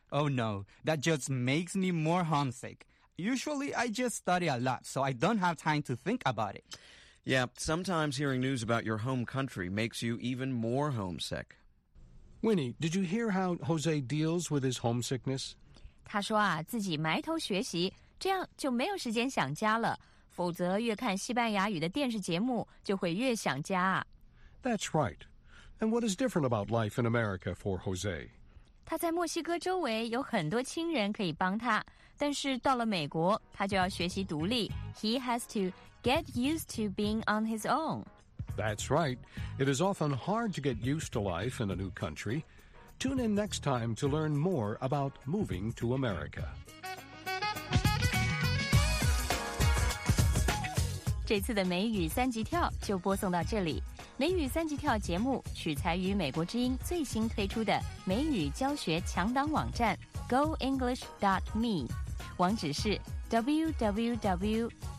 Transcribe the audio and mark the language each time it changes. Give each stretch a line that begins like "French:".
English: Oh no, that just makes me more homesick. Usually, I just study a lot, so I don't have time to think about it. Yeah, sometimes hearing news about your home country makes you even more homesick. Winnie, did you hear how Jose deals with his homesickness?
Chinese: 他说啊，自己埋头学习，这样就没有时间想家了。否则越看西班牙语的电视节目，就会越想家。
English: That's right. And what is different about life in America for Jose?
Chinese: 他在墨西哥周围有很多亲人可以帮他，但是到了美国，他就要学习独立。
English: He has to... Get used to being on his own. That's right. It is often hard to get used to life in a new country. Tune in next time to learn more about moving to America.
Chinese: 这次的美语三级跳就播送到这里。美语三级跳节目取材于美国之音最新推出的美语教学强档网站 goenglish.me 网址是 www.goenglish.me